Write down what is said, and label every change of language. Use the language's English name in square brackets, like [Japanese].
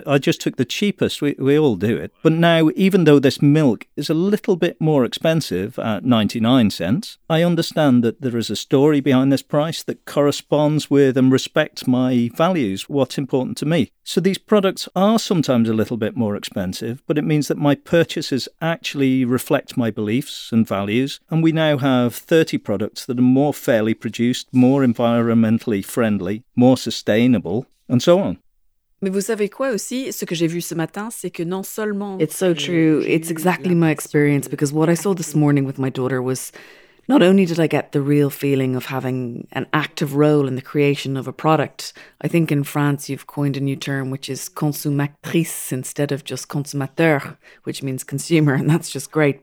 [English] I just took the cheapest. We all do it. But now, even though this milk is a little bit more expensive at 99 cents, I understand that there is a story behind this price that corresponds with and respects my values, what's important to me. So these products are sometimes a little bit more expensive, but it means that my purchases actually reflect my beliefs and values. And we now have 30 products that are more fairly produced, more environmentally friendly, more sustainable, and so on. [French] Mais vous savez quoi aussi, ce que j'ai vu ce matin, c'est que non seulement... [English] It's so true. It's exactly my experience, because what I saw this morning with my daughter was, not only did I get the real feeling of having an active role in the creation of a product, I think in France you've coined a new term, which is consommatrice instead of just consommateur, which means consumer, and that's just great.